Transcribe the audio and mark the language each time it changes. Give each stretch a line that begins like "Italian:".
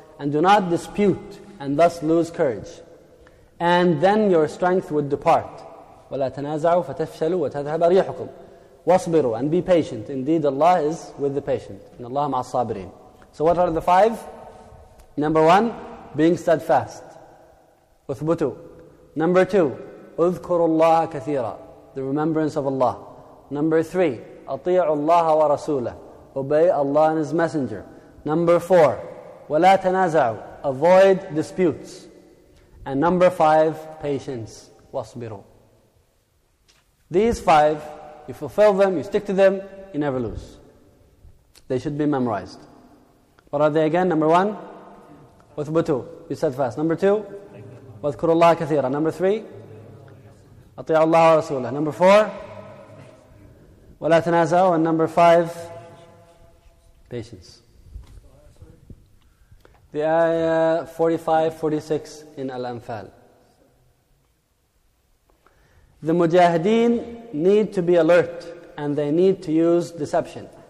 English: And do not dispute, and thus lose courage. And then your strength would depart.
Arabic: وَلَا تَنَازَعُوا فَتَفْشَلُوا وَتَذْهَبَ رِيحُكُمْ وَاصْبِرُوا.
English: And be patient. Indeed, Allah is with the patient.
Arabic: إن الله مع الصابرين.
English: So what are the five? Number one, being steadfast.
Arabic: اثبتوا.
English: Number two,
Arabic: اذكروا الله كثيرا.
English: The remembrance of Allah. Number three,
Arabic: اطيعوا الله ورسوله.
English: Obey Allah and His Messenger. Number four,
Arabic: وَلَا تَنَازَعُوا.
English: Avoid disputes. And number five, patience.
Arabic: وَاصْبِرُوا.
English: These five, you fulfill them, you stick to them, you never lose. They should be memorized. What are they again? Number one,
Arabic: وَثْبُتُوا.
English: Be steadfast. Number two,
Arabic: وَذْكُرُوا اللَّهَ كَثِيرًا.
English: Number three,
Arabic: أَطِيعُوا اللَّهَ وَرَسُولَهُ.
English: Number four,
Arabic: وَلَا تَنَازَعُوا.
English: And number five, patience. The ayah 45, 46 in Al-Anfal. The mujahideen need to be alert and they need to use deception.